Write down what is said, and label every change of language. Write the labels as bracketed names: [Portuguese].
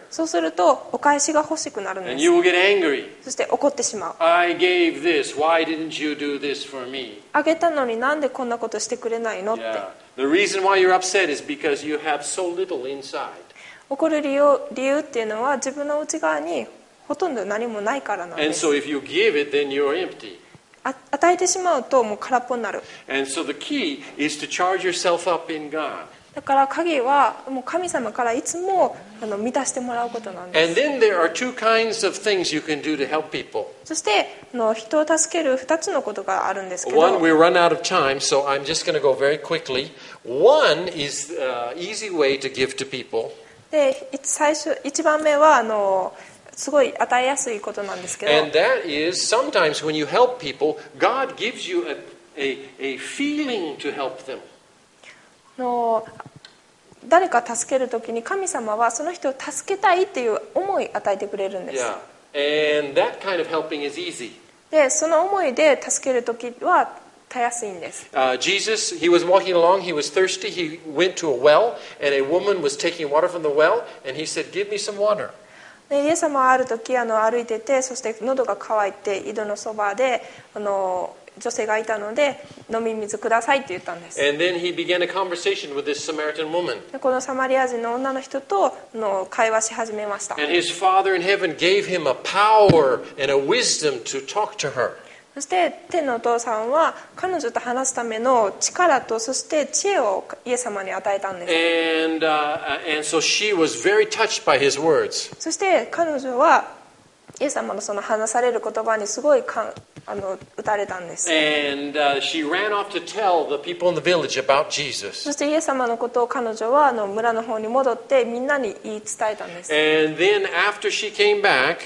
[Japanese] そうするとお返しが欲しくなるんです。 [English] And you will get angry. [Japanese] そして怒ってしまう。 [English] I gave this. Why didn't you do this for me? [Japanese] あげたのになんでこんなことしてくれないのって。 [English] Yeah. The reason why you're upset is because you have so little inside. [Japanese] 怒る理由っていうのは自分の内側にほとんど何もないからなんです。 [English] And so if you give it, then you're empty. [Japanese] 与えてしまうともう空っぽになる。 [English] And so the key is to charge yourself up in God. [Japanese] だから鍵はもう神様からいつも満たしてもらうことなんです。 [English] And then there are two kinds of things you can do to help people. [Japanese] そして人を助ける2つのことがあるんですけど、 [English] One, we run out of time, so I'm just going to go very quickly. One is the easy way to give to people. [Japanese] で、一番目はすごい与えやすいことなんですけど、 [English] And that is sometimes when you help people, God gives you a feeling to help them. の [Japanese] 誰か助けるときに神様はその人を助けたいという思いを与えてくれるんです。 [English] Yeah. And that kind of helping is easy. [Japanese] で、その思いで助けるときはたやすいんです。 [English] Jesus, he was walking along, he was thirsty, he went to a well, and a woman was taking water from the well, and he said, give me some water. [Japanese] でイエス様はある時歩いてて、そして喉が渇いて、井戸のそばで女性がいたので、飲み水くださいって言ったんです。 [English] And then he began a conversation with this Samaritan woman. [Japanese] このサマリア人の女の人と会話し始めました。 [English] And his Father in heaven gave him a power and a wisdom to talk to her. [Japanese] そして天のお父さんは彼女と話すための力とそして知恵をイエス様に与えたんです。 [English] And so she was very touched by his words. [Japanese] そして彼女はイエス様のその話される言葉にすごい打たれたんです。 [English] And she ran off to tell the people in the village about Jesus. [Japanese] そしてイエス様のことを彼女は村の方に戻ってみんなに言い伝えたんです。 [English] And then after she came back,